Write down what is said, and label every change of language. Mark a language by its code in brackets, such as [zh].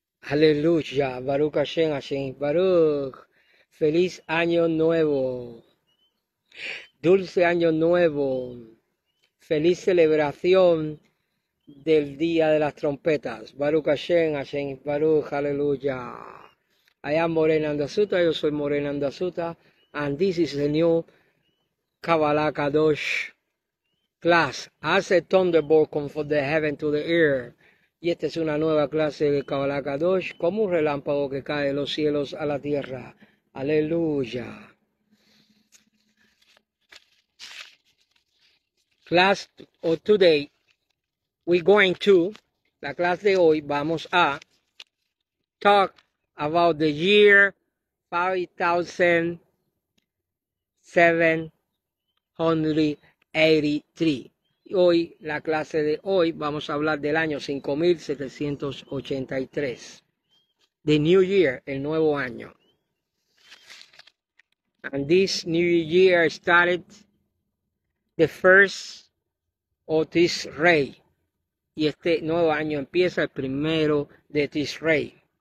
[es] Aleluya, Baruch Hashem, Baruch, feliz año nuevo, dulce año nuevo, feliz celebración del día de las trompetas, Baruch Hashem, Baruch, aleluya. [en] I am Morena Andasuta, [es] yo soy Morena Andasuta, [en] and this is the new Kabbalah Kadosh class, as a thunderbolt come from the heaven to the earth. [es] Y esta es una nueva clase de Kabbalah Kadosh, como un relámpago que cae de los cielos a la tierra. Aleluya. [en] Class of today, we're going to, [es] la clase de hoy, vamos a [en] talk about the year 5783. [es] Hoy, la clase de hoy, vamos a hablar del año 5783. [en] The New Year, [es] el nuevo año. [en] And this New Year started the first of Tishrei. [es] Y este nuevo año empieza el primero de Tishrei.